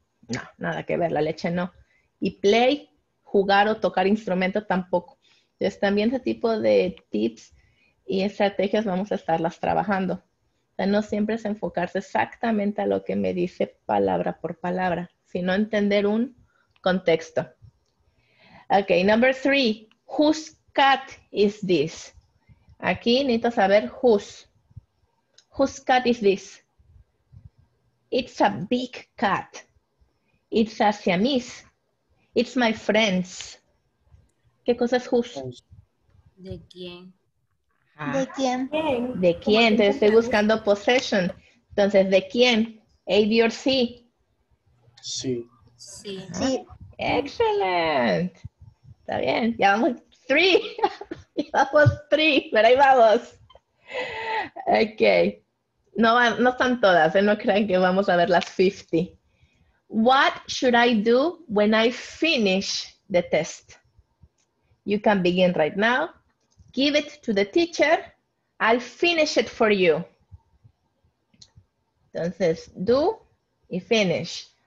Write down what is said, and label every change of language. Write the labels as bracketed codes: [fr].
[es] No, nada que ver, la leche no. Y play, jugar o tocar instrumento tampoco. Entonces también ese tipo de tips y estrategias vamos a estarlas trabajando. O sea, no siempre es enfocarse exactamente a lo que me dice palabra por palabra, sino entender un contexto. [en] Ok, number three, whose cat is this? [es] Aquí necesito saber whose. [en] Whose cat is this? It's a big cat. It's a Siamese. It's my friends. [es] ¿Qué cosa es whose? ¿De quién? ¿De quién? ¿De quién? Te estoy buscando possession. Entonces, ¿de quién? A, B or C. Sí. Sí. Sí. [en] Excellent. [es] Está bien. Ya vamos. Three. Llevamos three, pero ahí vamos. Ok. No están todas, ¿eh? No crean que vamos a ver las 50. [en] What should I do when I finish the test? You can begin right now. Give it to the teacher. I'll finish it for you. [es] Entonces, do y finish.